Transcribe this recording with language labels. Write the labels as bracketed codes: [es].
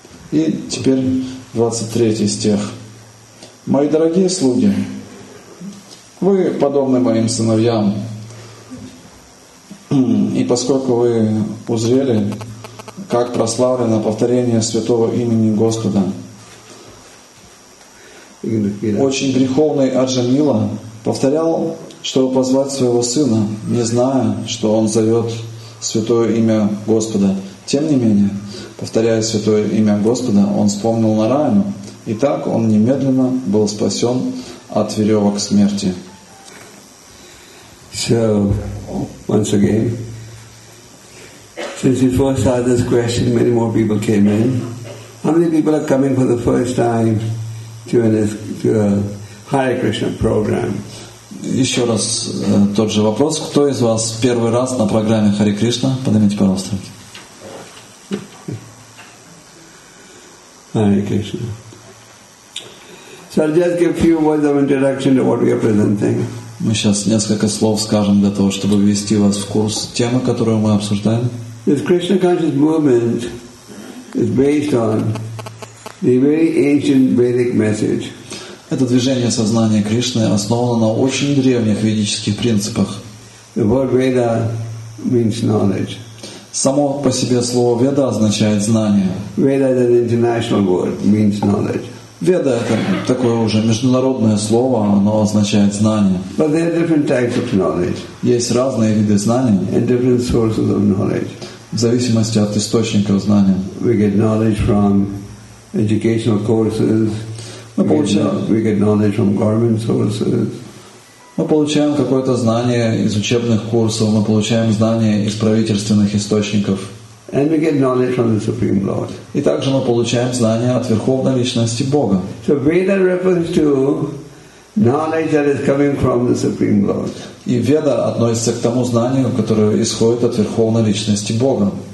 [ru] И теперь 23 стих. «Мои дорогие слуги, вы подобны моим сыновьям, и поскольку вы узрели, как прославлено повторение святого имени Господа, очень греховный Арджамила повторял, чтобы позвать своего сына, не зная, что он зовет святое имя Господа. Тем не менее, повторяя святое имя Господа, он вспомнил Нараяну, и так он немедленно был спасен от веревок смерти». [en] So, once again, since we first started this question, many more people came in. How many people are coming for the first time to a Hare Krishna program? [ru] Еще раз тот же вопрос. Кто из вас первый раз на программе Харе Кришна? Поднимите, пожалуйста, руки. Харе Кришна. [en] So I'll just give a few words of introduction to what we are presenting. [ru] Мы сейчас несколько слов скажем для того, чтобы ввести вас в курс темы, которую мы обсуждаем. [en] This Krishna conscious movement is based on the very ancient Vedic message. [ru] Это движение сознания Кришны основано на очень древних ведических принципах. [en] The word Veda means knowledge. [ru] Само по себе слово Веда означает знание. [en] Veda is an international word, means knowledge. [ru] Веда — это такое уже международное слово, оно означает знание. [en] But there are different types of knowledge. [ru] Есть разные виды знаний. [en] And different sources of knowledge. [ru] В зависимости от источников знания. [en] We get knowledge from educational courses. We get knowledge from government sources. [ru] Мы получаем какое-то знание из учебных курсов, мы получаем знания из правительственных источников. [en] And we get knowledge from the Supreme Lord. [ru] И также мы получаем знания от Верховной Личности Бога. [en] So Veda refers to knowledge that is coming from the Supreme Lord. [ru] И Веда относится к тому знанию, которое исходит от Верховной Личности Бога.